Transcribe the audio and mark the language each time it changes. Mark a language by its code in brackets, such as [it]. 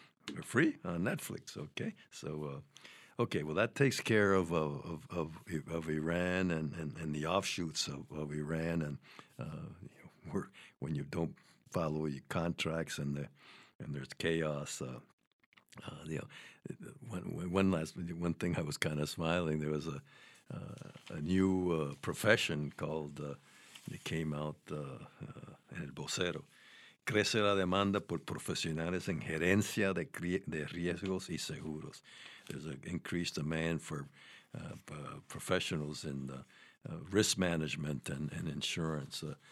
[en] They're free on Netflix. Okay, so okay, well, that takes care of Iran and the offshoots of Iran, and you know, when you don't follow your contracts and the and there's chaos. You know, one thing I was kind of smiling. There was a new profession called it came out in El Vocero. [es] Crece la demanda por profesionales en gerencia de riesgos y seguros. [en] There's an increased demand for professionals in the, risk management and insurance.